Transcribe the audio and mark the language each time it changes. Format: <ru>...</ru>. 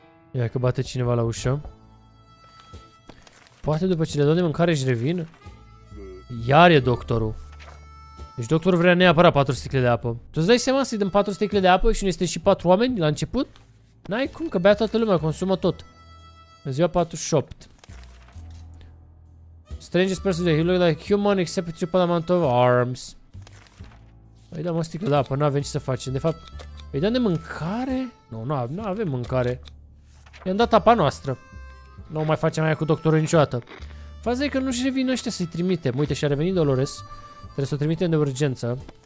<ro>Ia că bate cineva la ușă. Poate după ce le dau de mâncare și revin. Iar e doctorul. Deci doctorul vrea neapărat 4 sticle de apă. Tu îți dai seama să-i dăm 4 sticle de apă și nu este și 4 oameni la început? N-ai cum, că bea toată lumea, consumă tot. În ziua 48.</ro> <en>Strangest person that he looked like human except with triple amount of arms.</en> <ro>Îi dăm o sticlă de apă, nu avem ce să facem. De fapt, îi dăm de mâncare? Nu, no, nu avem mâncare. I-am dat apa noastră. Nu o mai facem aia cu doctorul niciodată. Faza e că nu-și revin ăștia să-i trimitem. Uite, și-a revenit Dolores. Trebuie să o trimitem de urgență.</ro>